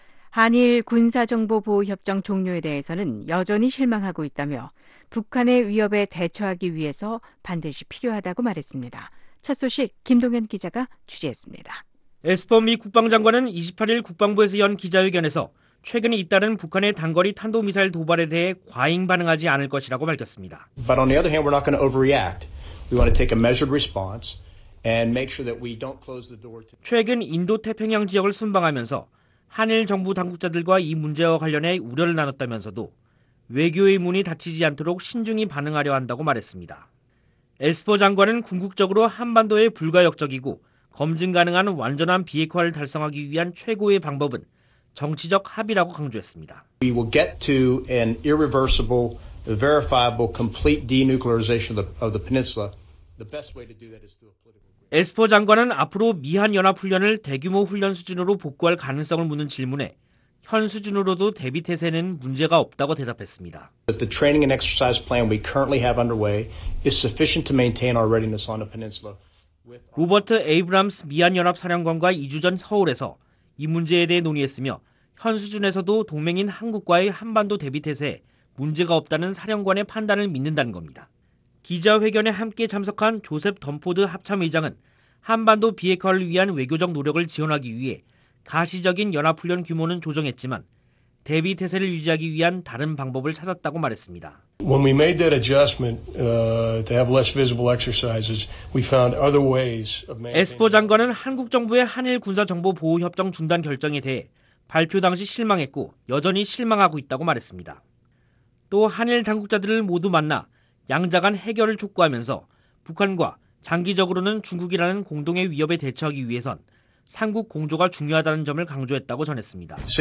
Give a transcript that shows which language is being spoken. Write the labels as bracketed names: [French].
[Korean] 한일 군사정보보호협정 종료에 대해서는 여전히 실망하고 있다며 북한의 위협에 대처하기 위해서 반드시 필요하다고 말했습니다. 첫 소식 김동현 기자가 취재했습니다. 에스퍼 미 국방장관은 28일 국방부에서 연 기자회견에서 최근 잇따른 북한의 단거리 탄도미사일 도발에 대해 과잉 반응하지 않을 것이라고 밝혔습니다. [English] But on the other hand, we're not going to overreact. We want to take a measured response and make sure that we don't close the door to... [Korean] 최근 인도태평양 지역을 순방하면서 한일 정부 당국자들과 이 문제와 관련해 우려를 나눴다면서도 외교의 문이 닫히지 않도록 신중히 반응하려 한다고 말했습니다. 에스퍼 장관은 궁극적으로 한반도의 불가역적이고 검증 가능한 완전한 비핵화를 달성하기 위한 최고의 방법은 정치적 합의라고 강조했습니다. [English] We will get to an irreversible, verifiable, complete denuclearization of the peninsula. The best way to do that is through a political. [Korean] 에스퍼 장관은 앞으로 미한연합훈련을 대규모 훈련 수준으로 복구할 가능성을 묻는 질문에 현 수준으로도 대비태세는 문제가 없다고 대답했습니다. [English] The training and exercise plan we currently have underway is sufficient to maintain our readiness on the peninsula. [Korean] 로버트 에이브람스 미한연합사령관과 2주 전 서울에서 이 문제에 대해 논의했으며 현 수준에서도 동맹인 한국과의 한반도 대비태세에 문제가 없다는 사령관의 판단을 믿는다는 겁니다. 기자회견에 함께 참석한 조셉 덤포드 합참의장은 한반도 비핵화를 위한 외교적 노력을 지원하기 위해 가시적인 연합훈련 규모는 조정했지만 대비 태세를 유지하기 위한 다른 방법을 찾았다고 말했습니다. [English] When we made that adjustment to have less visible exercises, we found other ways of maintaining. [Korean] 에스퍼 장관은 한국 정부의 한일 군사정보보호협정 중단 결정에 대해 발표 당시 실망했고 여전히 실망하고 있다고 말했습니다. 또 한일 당국자들을 모두 만나 양자 간 해결을 촉구하면서 북한과 장기적으로는 중국이라는 공동의 위협에 대처하기 위해선 삼국 공조가 중요하다는 점을 강조했다고 전했습니다.